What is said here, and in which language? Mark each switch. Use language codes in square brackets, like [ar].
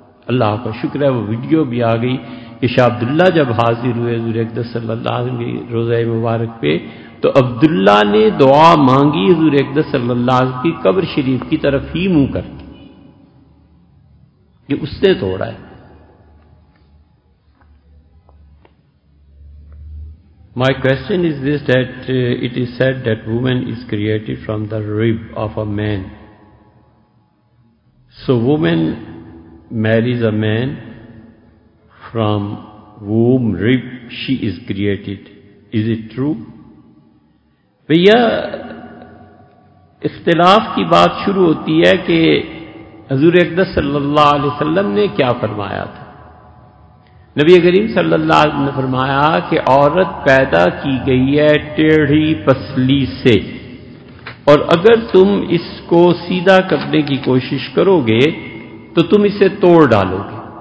[ur] اللہ کا شکر ہے وہ ویڈیو بھی آ گئی کہ شاہ عبداللہ جب حاضر ہوئے حضور اقدس صلی اللہ علیہ وسلم کے روزہ مبارک پہ، تو عبداللہ نے دعا مانگی حضور اقدس صلی اللہ علیہ وسلم کی قبر شریف کی طرف ہی منہ کر کے، یہ اس نے توڑا ہے. [en] My question is this, that it is said that woman is created from the rib of a man. So woman marries a man from whom rib she is created. Is it true? [ur] بھیا اختلاف کی بات شروع ہوتی ہے کہ حضور اقدس صلی اللہ علیہ وسلم نے کیا فرمایا تھا. نبی کریم صلی اللہ علیہ وسلم نے فرمایا کہ عورت پیدا کی گئی ہے ٹیڑھی پسلی سے، اور اگر تم اس کو سیدھا کرنے کی کوشش کرو گے تو تم اسے توڑ ڈالو گے.